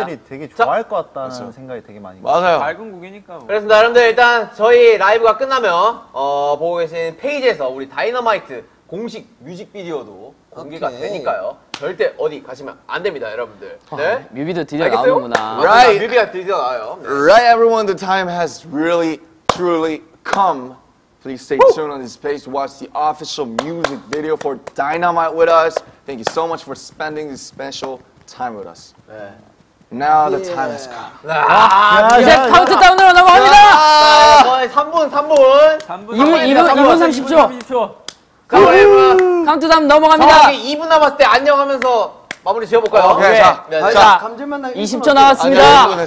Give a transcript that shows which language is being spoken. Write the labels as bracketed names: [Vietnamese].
[Korean] 아미들이 되게 좋아할 것 같다는 그렇죠. 생각이 되게 많이 맞아요. 밝은 곡이니까 뭐. 그렇습니다, 여러분들. 일단 저희 라이브가 끝나면 보고 계신 페이지에서 우리 다이너마이트 공식 뮤직비디오도 공개가 오케이. 되니까요. 절대 어디 가시면 안 됩니다, 여러분들. 네? 뮤비도 드디어 나오는구나. [English] Right. [Korean] 뮤비가 드디어 나와요. 네. [English] Right, everyone, the time has really, truly come. Please stay tuned on this page to watch the official music video for Dynamite with us. Thank you so much for spending this special time with us. 네. Now the time has come. [Korean] 이제 카운트다운으로 넘어갑니다! 3분! 2분 30초! 자, 여러분, 카운트다운 넘어갑니다. 정확히 2분 남았을 때 안녕하면서 마무리 지어볼까요? 오케이, 오케이. 자 20초 남았습니다.